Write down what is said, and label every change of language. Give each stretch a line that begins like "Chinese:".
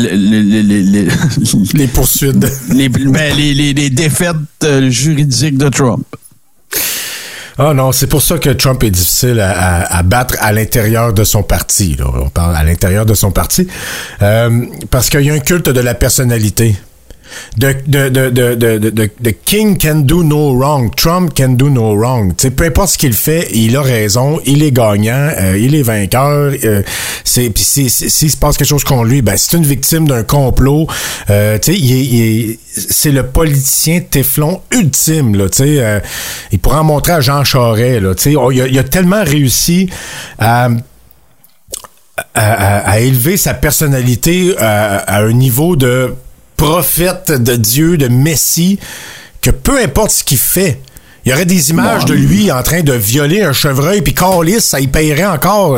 French: les poursuites. Les défaites juridiques de Trump. Ah oh non, c'est pour ça que Trump est difficile à battre à l'intérieur de son parti. Là. On parle à l'intérieur de son parti. Parce qu'il y a un culte de la personnalité.
English: De King can do no wrong, Trump can do no wrong.
French: T'sais, peu importe ce qu'il fait, il a raison, il est gagnant, il est vainqueur. S'il se passe quelque chose contre lui, ben, c'est une victime d'un complot. C'est le politicien Teflon ultime. Là, il pourra en montrer à Jean Charest. Il a tellement réussi à élever sa personnalité à un niveau de prophète de Dieu, de Messie, que peu importe ce qu'il fait, il y aurait des images de lui en train de violer un chevreuil, puis câlisse, ça y paierait encore.